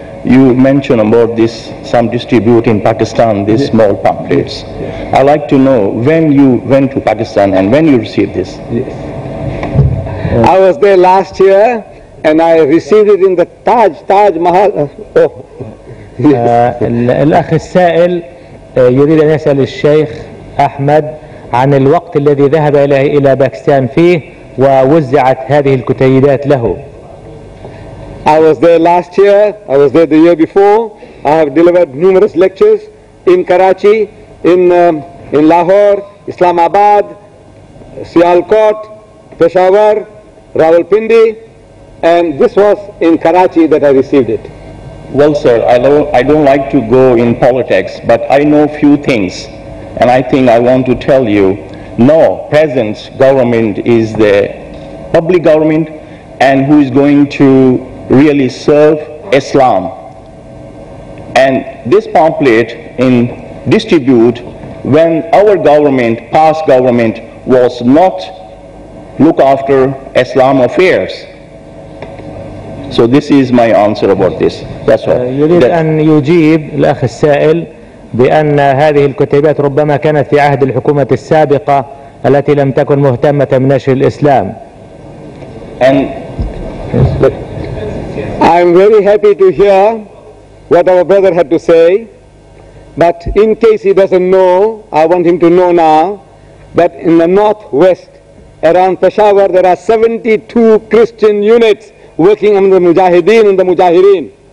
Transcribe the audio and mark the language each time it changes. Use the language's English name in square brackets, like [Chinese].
[English] you mentioned about this, some distribute in Pakistan, these small pamphlets. Yes. I'd like to know when you went to Pakistan and when you received this. I was there last year and I received it in the Taj Mahal. [Arabic] الأخ السائل يريد أن يسأل الشيخ أحمد عن الوقت الذي ذهب إلى باكستان فيه ووزعت هذه الكتيبات له. [English] I was there last year. I was there the year before. I have delivered numerous lectures in Karachi, in Lahore, Islamabad, Sialkot, Peshawar, Rawalpindi, and this was in Karachi that I received it. Well, sir, I don't like to go in politics, but I know few things, and I think I want to tell you. No, present government is the public government, and who is going to really serve Islam. And this pamphlet in distribute when our government, past government, was not look after Islam affairs. So this is my answer about this. That's all. [Arabic] يريد أن يجيب الأخ السائل بأن هذه الكتيبات ربما كانت في عهد الحكومة السابقة التي لم تكن مهتمة بنشر الإسلام. [English] And I'm very happy to hear what our brother had to say, but in case he doesn't know, I want him to know now that in the northwest, around Peshawar, there are 72 Christian units working on the Mujahideen and the Mujahireen.